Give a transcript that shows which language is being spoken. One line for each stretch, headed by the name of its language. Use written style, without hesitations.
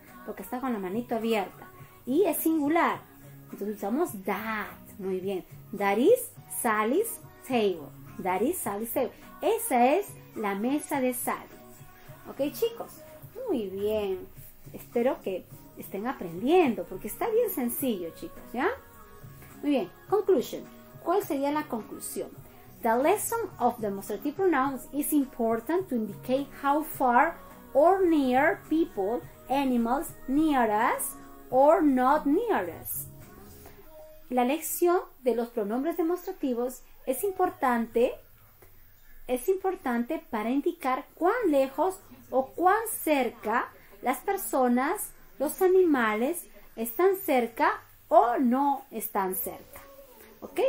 Spanish: Porque está con la manito abierta, y es singular, entonces usamos that, muy bien,
English: that is Sally's table,
Spanish: that is Sally's table, esa es la mesa de Sally, ¿ok chicos? Muy bien, espero que estén aprendiendo, porque está bien sencillo, chicos, ¿ya? Muy bien, conclusion. ¿Cuál sería la conclusión?
English: The lesson of demonstrative pronouns is important to indicate how far or near people, animals, near us or not near us.
Spanish: La lección de los pronombres demostrativos es importante para indicar cuán lejos o cuán cerca las personas, los animales están cerca o no están cerca, ¿ok?